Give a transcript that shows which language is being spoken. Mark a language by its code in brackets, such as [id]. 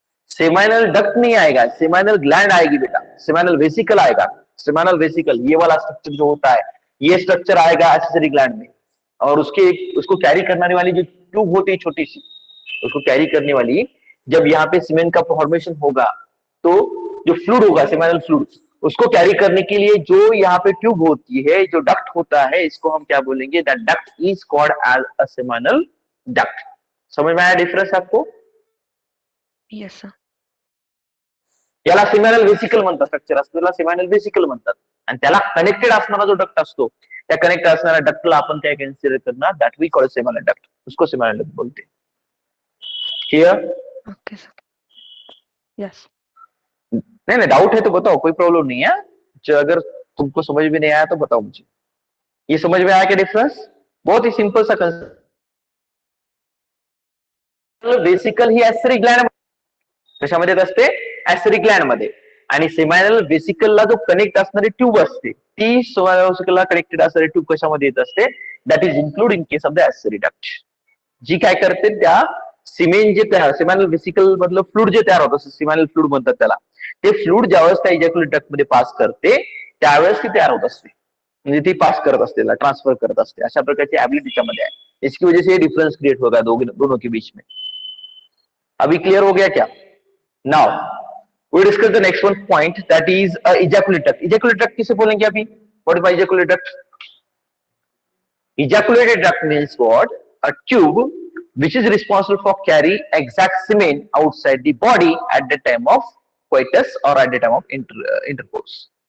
[hi] Seminal duct नहीं आएगा, seminal gland आएगी बेटा, सेमिनल वेसिकल आएगा, सेमिनल वेसिकल ये वाला स्ट्रक्चर जो होता है, ये स्ट्रक्चर आएगा एसेसरी ग्लैंड में, और उसके उसको कैरी करने वाली जो ट्यूब होती है छोटी सी, उसको कैरी करने वाली जब यहाँ पे सीमेन का फॉर्मेशन होगा, तो जो फ्लूड होगा सेमिनल फ्लूड, उसको कैरी करने के लिए जो यहाँ पे ट्यूब होती है, जो डक्ट होता है, इसको हम क्या बोलेंगे, [en] That duct is called as a seminal duct. [hi] समझ में आया डिफरेंस आपको? [en] Yes sir. [mr] याला सेमिनल वेसिकल म्हणतात स्ट्रक्चर, असल्याला सेमिनल वेसिकल म्हणतात, आणि त्याला कनेक्टेड असणारा जो डक्ट असतो, त्या कनेक्ट असणाऱ्या डक्टला आपण काय कन्सिडर करणार, [en] that we call seminal duct, [hi] उसको सेमिनल डक्ट बोलते। [en] Clear? Okay sir, yes. [hi] नहीं नहीं डाउट है तो बताओ, कोई प्रॉब्लम नहीं है, जो अगर तुमको समझ भी नहीं आया तो बताओ मुझे। ये समझ में आया क्या डिफरेंस? [mr] बहुत ही सिंपल सा वेसिकल ही एसरी ग्लैंड कशामध्ये असते, एसरी ग्लैंड मध्ये, आणि सेमिनल वेसिकल ला जो कनेक्ट असणारी ट्यूब असते, ती सेमिनल वेसिकल ला कनेक्टेड असणारी ट्यूब कशामध्ये येत असते, [en] that is include in case of the accessory duct, [mr] जी काय करते त्या सिमेंट जे तयार, सेमिनल वेसिकल मधलं फ्लूड जे तयार होतं, सेमिनल फ्लूड म्हणतात त्याला, ते फ्लूड ज्यावेळेस त्या इजॅक्युलेट डक्ट मध्ये पास करते, त्यावेळेस ती तयार होत असते, म्हणजे ती पास करत असते, ट्रान्सफर करत असते, अशा प्रकारची ऍबिलिटी त्यामध्ये आहे, [hi] इसकी वजह से ये डिफरेंस क्रिएट होगा दोनों के बीच में। अभी क्लियर हो गया क्या? [en] Now we discuss the next one point, that is a ejaculate duct. [hi] Ejaculate duct किसे बोलेंगे अभी? [en] What is ejaculate duct? Ejaculated duct means what? A tube which is responsible for carry exact semen outside the body at the time of coitus और at the time of intercourse.